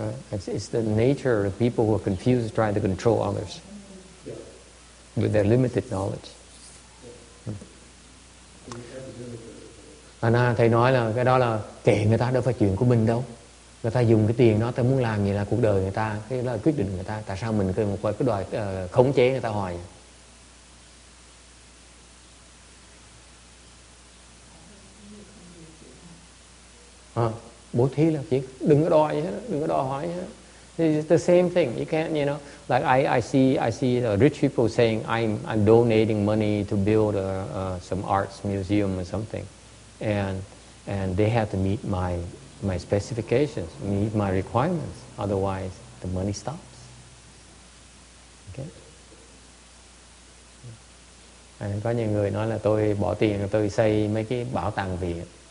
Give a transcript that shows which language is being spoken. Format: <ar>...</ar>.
<en>It's the nature of people who are confused trying to control others with their limited knowledge.</en> <vi>Anh thầy nói là cái đó là kệ người ta, đâu phải chuyện của mình đâu. Người ta dùng cái tiền đó, ta muốn làm gì là cuộc đời người ta, cái là quyết định người ta. Tại sao mình cứ đòi khống chế người ta hoài? Bố thí là chuyện, đừng có đòi hết.</vi> <en>It's the same thing. You can't, you know, like I see rich people saying I'm donating money to build some arts museum or something, and they have to meet my specifications, meet my requirements, otherwise the money stops. Okay.</en> <vi>And có nhiều người nói là tôi bỏ tiền tôi xây mấy cái bảo tàng Việt.</vi>